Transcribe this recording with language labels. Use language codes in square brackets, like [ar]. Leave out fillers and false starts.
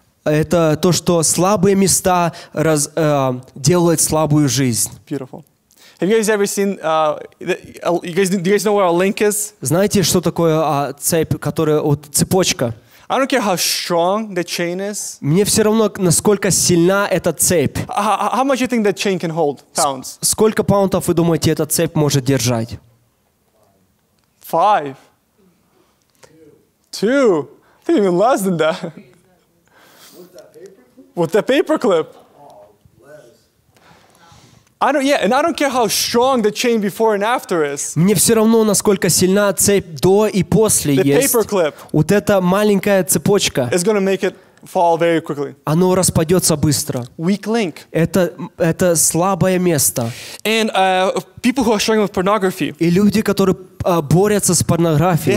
[ru] Это то, что слабые места делают слабую жизнь. [en] Beautiful. Have you guys ever seen? Do you guys know where a link is? [ru] Знаете, что такое цепь, которая вот цепочка? [en] I don't care how strong the chain is. [ru] Мне все равно, насколько сильна эта цепь. [en] How much you think that chain can hold pounds? [ru] Сколько паунтов вы думаете, эта цепь может держать? [en] Five. Two. I think even less than that. With the paperclip. I don't care how strong the chain before and after is. [ru] Мне все равно, насколько сильна цепь до и после есть. [en] The paperclip. [ru] Вот эта маленькая цепочка. [en] Is going to make it fall very quickly. [ru] Оно распадется быстро. [en] Weak link. [ru] Это слабое место. [en] And people who are struggling with pornography. [ru] И люди, которые борются с порнографией.